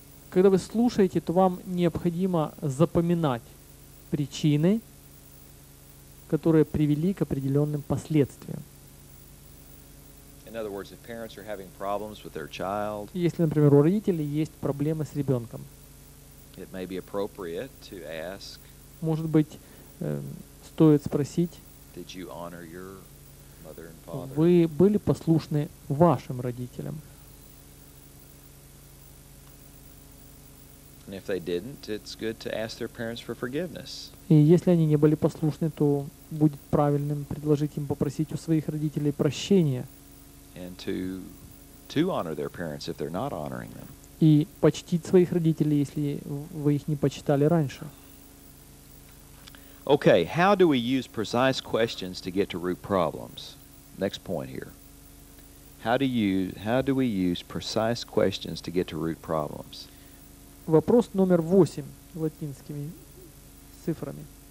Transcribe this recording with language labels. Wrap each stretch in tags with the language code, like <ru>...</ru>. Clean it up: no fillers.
<ru>Когда вы слушаете, то вам необходимо запоминать причины, которые привели к определенным последствиям.</ru> <en>In other words, if parents are having problems with their child,</en> <ru>если, например, у родителей есть проблемы с ребенком,</ru> <en>it may be appropriate to ask,</en> <ru>может быть, стоит спросить.</ru> <en>Did you honor your mother and father?</en> <ru>Вы были послушны вашим родителям?</ru> <en>And if they didn't, it's good to ask their parents for forgiveness.</en> <ru>И если они не были послушны, то будет правильным предложить им попросить у своих родителей прощения.</ru> <en>And to honor their parents if they're not honoring them.</en> <ru>И почтить своих родителей, если вы их не почитали раньше.</ru> <en>Okay, how do we use precise questions to get to root problems? Next point here. How do we use precise questions to get to root problems?</en> <ru>Вопрос номер 8 латинскими цифрами.</ru>